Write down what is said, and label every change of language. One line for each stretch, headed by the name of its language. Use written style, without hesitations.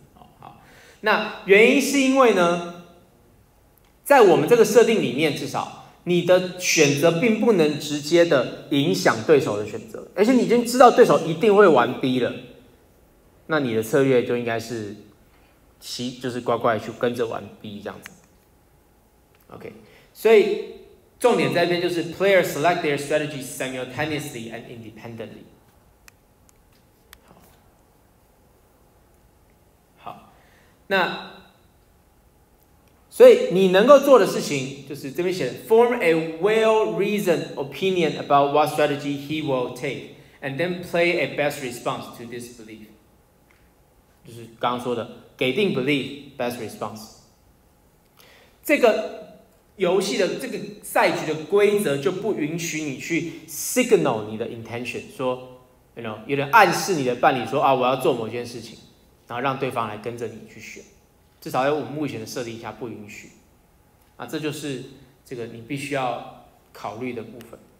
Chinese: 好，那原因是因为呢，在我们这个设定里面，至少你的选择并不能直接的影响对手的选择，而且你已经知道对手一定会玩 B 了，那你的策略就应该是就是乖乖去跟着玩 B 这样子。 OK， 所以。重点在这边就是
English: player select their strategy simultaneously and independently。
Chinese: 好，那所以你能够做的事情就是这边写的
English: form a well reasoned opinion about what strategy he will take and then play a best response to this belief，
Chinese: 就是刚刚说的给定 belief best response。这个游戏的这个赛局的规则就不允许你去 signal 你的 intention， 说 you know 有点暗示你的伴侣说啊我要做某件事情，然后让对方来跟着你去选，至少在我们目前的设定下不允许啊，这就是这个你必须要考虑的部分。